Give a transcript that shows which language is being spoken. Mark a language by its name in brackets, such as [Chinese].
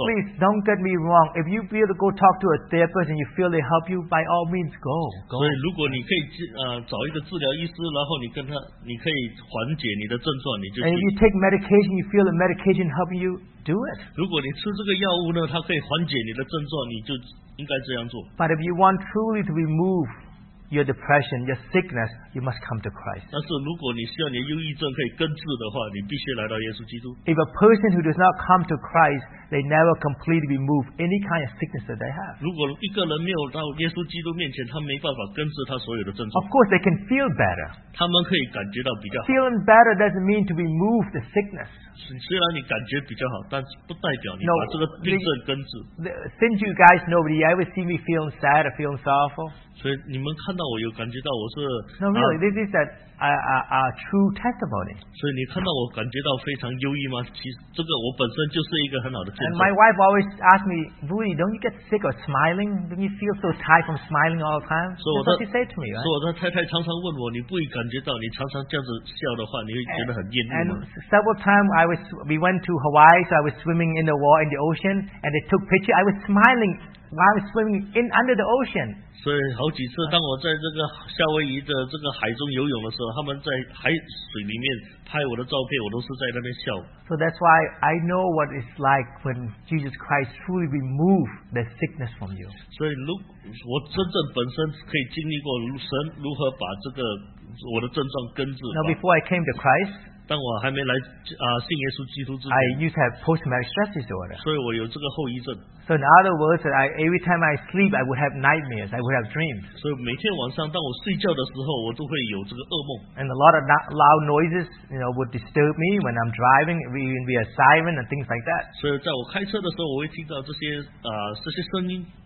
[English] So please don't get me wrong. If you feel to go talk to a therapist and you feel they help you, by all means go. [Chinese] 所以如果你可以找一个治疗医师，然后你跟他，你可以缓解你的症状，你就去。 [English] And if you take medication, you feel the medication help you, do it. [Chinese] 如果你吃这个药物呢，它可以缓解你的症状，你就。 [English] But if you want truly to remove your depression, your sickness, you must come to Christ. [Chinese] 但是如果你希望你的忧郁症可以根治的话，你必须来到耶稣基督。 [English] If a person who does not come to Christ, they never completely remove any kind of sickness that they have. [Chinese] 如果一个人没有到耶稣基督面前，他没办法根治他所有的症状。 [English] Of course, they can feel better. [Chinese] 他们可以感觉到比较好。 [English] Feeling better doesn't mean to remove the sickness. [Chinese] 虽然你感觉比较好，但是不代表你把这个病症根治。 [English] Since you guys know me, you ever see me feeling sad or feeling sorrowful? [Chinese] 所以你们看到我有感觉到我是。 [English] No, really, this is that. A true testimony. [Chinese] 所以你看到我感觉到非常忧郁吗？其实这个我本身就是一个很好的见证。 [English] And my wife always asked me, "Rudy, don't you get sick of smiling? Don't you feel so tired from smiling all the time?" So what she said to me, right? [Chinese] 所以我的太太常常问我，你不会感觉到你常常这样子笑的话，你会觉得很厌恶吗？ [English] And several times we went to Hawaii, so I was swimming in the water in the ocean, and they took picture. I was smiling while I was swimming in under the ocean. [Chinese] 所以好几次，当我在这个夏威夷的这个海中游泳的时候。他们在海水里面拍我的照片，我都是在那边笑。 [English] So that's why I know what it's like when Jesus Christ truly removed the sickness from you. [Chinese] 所以，我真正本身可以经历过神如何把这个我的症状根治。 [English] Now before I came to Christ, [Chinese] 当我还没来信耶稣基督之前 [English] I used to have post-traumatic stress disorder. [Chinese] 所以我有这个后遗症。 [English] So in other words, every time I sleep, I would have nightmares. I would have dreams. [Chinese] 所以每天晚上当我睡觉的时候，我都会有这个噩梦。 [English] And a lot of loud noises, you know, would disturb me when I'm driving, even via siren and things like that. [Chinese] 所以在我开车的时候，我会听到这些声音。